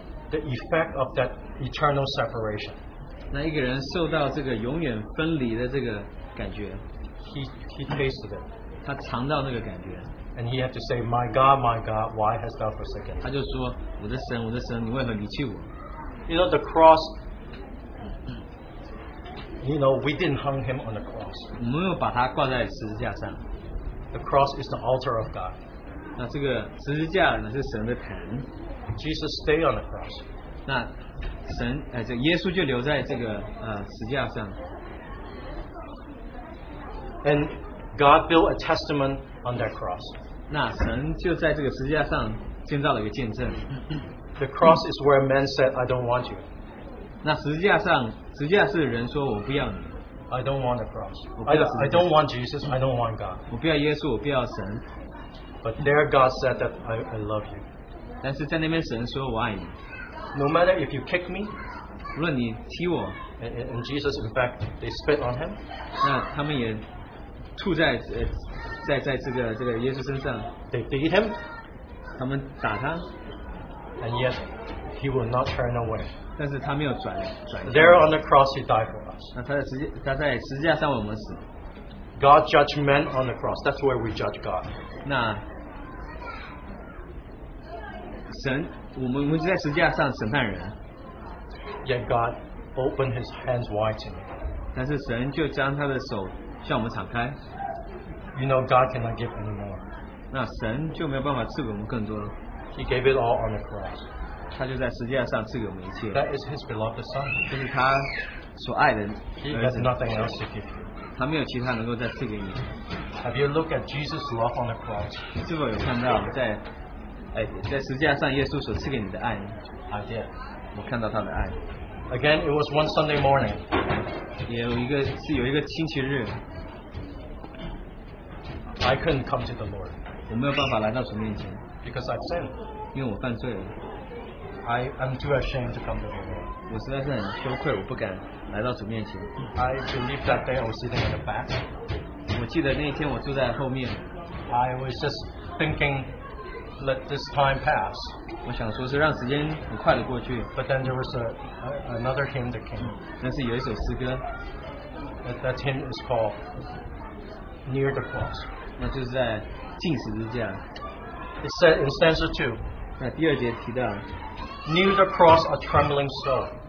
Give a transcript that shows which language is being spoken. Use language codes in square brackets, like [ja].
[en] the effect of that eternal separation. [zh] 那一个人受到这个永远分离的这个感觉, [en] he tasted it. [zh] 他尝到那个感觉, [en] and he had to say, my God, why hast thou forsaken? [zh] 他就说, 我的神, 我的神, 你为何离弃我? [en] You know, the cross, you know, we didn't hung him on the cross. [zh] 我们没有把他挂在十字架上, [en] the cross is the altar of God. [zh] 那这个十字架呢是神的坛, [en] Jesus stayed on the cross. [zh] 那神, 耶稣就留在这个, 十字架上, [en] and God built a testament on that cross. [zh] 那神就在这个十字架上建造了一个见证, [en] the cross is where man said, I don't want you. [zh] 那十字架上, 十字架是人说, 我不要你, [en] I don't want the cross. I don't want Jesus. I don't want God. [zh] 我不要耶稣, 我不要神, [en] but there God said that I love you. [zh] 但是在那边神说, 我爱你, [en] no matter if you kick me, [zh] 无论你踢我, [en] and Jesus, in fact, they spit on him, [zh] 那他们也吐在, 在这个耶稣身上, [en] they beat him, [zh] 他们打他, [en] and yet he will not turn away. [zh] 但是他没有转, [en] there on the cross he died for us. [zh] 那他在十字架上为我们死, [en] God judged men on the cross. That's where we judge God. [zh] 那神, 我们在十字架上审判人, [en] yet God opened his hands wide to me. [zh] 但是神就将他的手向我们敞开, [en] you know God cannot give any more. [zh] 那神就没有办法赐给我们更多, [en] he gave it all on the cross. [zh] 他就在十字架上赐给我们一切, [en] that is his beloved son. [zh] 就是他所爱的儿子, [en] he has nothing else to give you. [zh] 他没有其他能够再赐给你, [en] have you looked at Jesus' love on the cross? [zh] 是否有看到在, 在十字架上耶稣所赐给你的爱, [en] I did. [zh] 我看到他的爱, [en] again it was one Sunday morning, [zh] 也有一个, 是有一个星期日, [en] I couldn't come to the Lord, [zh] 我没有办法来到神面前, [en] because I've sinned, [zh] 因为我犯罪了, [en] I'm too ashamed to come to the Lord. [zh] 我实在是很羞愧, 我不敢来到主面前, [en] I believe that day I was sitting in the back, [zh] 我记得那一天我坐在后面, [en] I was just thinking, let this time pass. [zh] 我想说是让时间很快地过去, [en] but then there was another hymn that came. [zh] 但是有一首诗歌, [en] that hymn is called Near the Cross. [zh] 那就是在近十字架, [en] it said in stanza 2, [zh] 那第二节提到, [en] near the cross a trembling soul,